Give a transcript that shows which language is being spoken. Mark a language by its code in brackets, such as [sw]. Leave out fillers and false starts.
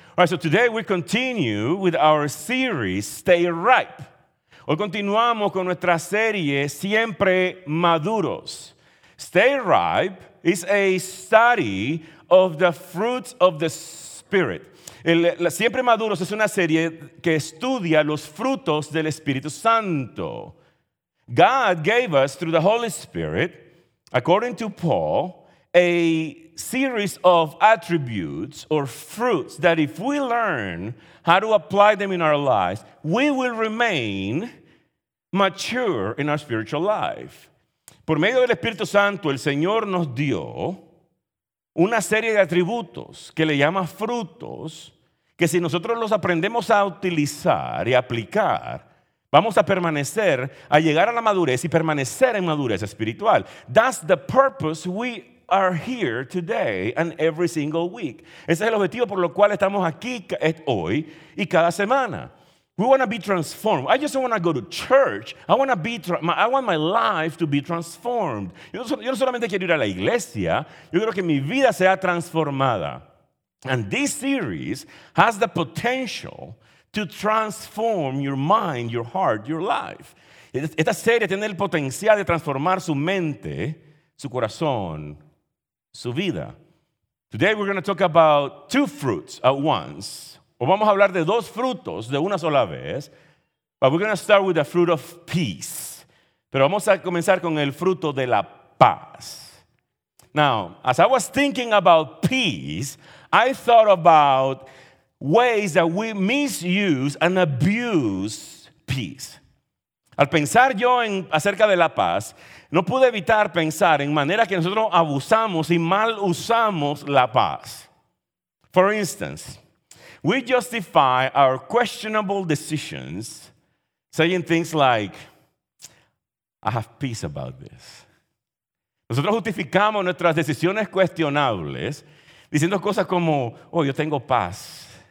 [en] All right, so today we continue with our series, Stay Ripe. [es] Hoy continuamos con nuestra serie, Siempre Maduros. [en] Stay Ripe is a study of the fruits of the Spirit. [es] Siempre Maduros es una serie que estudia los frutos del Espíritu Santo. [en] God gave us, through the Holy Spirit, according to Paul, a series of attributes or fruits that if we learn how to apply them in our lives, we will remain mature in our spiritual life. [es] Por medio del Espíritu Santo, el Señor nos dio una serie de atributos que le llama frutos, que si nosotros los aprendemos a utilizar y aplicar, vamos a permanecer, a llegar a la madurez y permanecer en madurez espiritual. [en] That's the purpose we are here today and every single week. [es] Ese es el objetivo por lo cual estamos aquí hoy y cada semana. [en] We want to be transformed. I just don't want to go to church. I want my life to be transformed. [es] Yo no solamente quiero ir a la iglesia. Yo quiero que mi vida sea transformada. [en] And this series has the potential to transform your mind, your heart, your life. [es] Esta serie tiene el potencial de transformar su mente, su corazón, su vida. [en] Today we're going to talk about two fruits at once. [es] O vamos a hablar de dos frutos de una sola vez. [en] But we're going to start with the fruit of peace. [es] Pero vamos a comenzar con el fruto de la paz. [en] Now, as I was thinking about peace, I thought about ways that we misuse and abuse peace. [es] Al pensar yo en acerca de la paz, no pude evitar pensar en maneras que nosotros abusamos y mal usamos la paz. [en] For instance, we justify our questionable decisions saying things like, I have peace about this. [es] Nosotros justificamos nuestras decisiones cuestionables diciendo cosas como, oh, yo tengo paz.